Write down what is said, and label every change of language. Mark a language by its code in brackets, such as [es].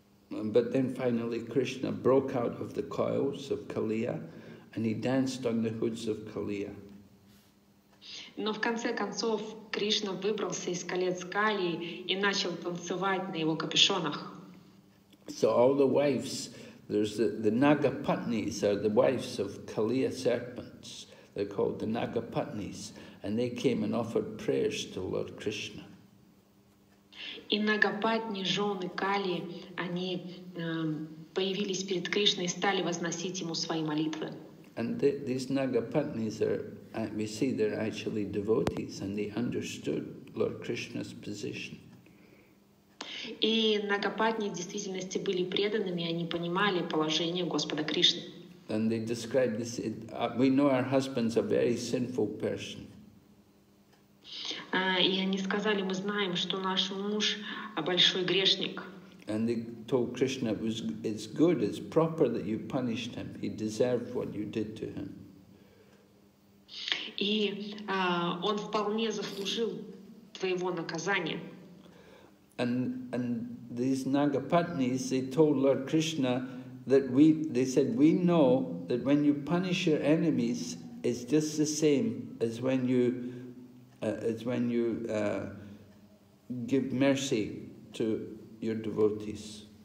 [en] But then finally Krishna broke out of the coils of Kaliya and he danced on the hoods of Kaliya. [ru] Но в конце концов Кришна выбрался из колец Калии и начал танцевать на его капюшонах. [en] So all the wives, the Nagapatnis are the wives of Kaliya serpents. They're called the Nagapatnis, and they came and offered prayers to Lord Krishna. [ru] И Нагапатни, жены Калии, они появились перед Кришной и стали возносить ему свои молитвы. [en] And these Nagapatnis are, we see they're actually devotees, and they understood Lord Krishna's position. [ru] И Нагапатни в действительности были преданными, они понимали положение Господа Кришны. [en] And they described this, we know our husband's a very sinful person. [ru] И они сказали, мы знаем, что наш муж большой грешник. [en] And they told Krishna, it's good, it's proper that you punished him. He deserved what you did to him. [ru] И он вполне заслужил твоего наказания. [en] And these Nagapatnis, they told Lord Krishna that they said, we know that when you punish your enemies, it's just the same as when you give mercy to your devotees.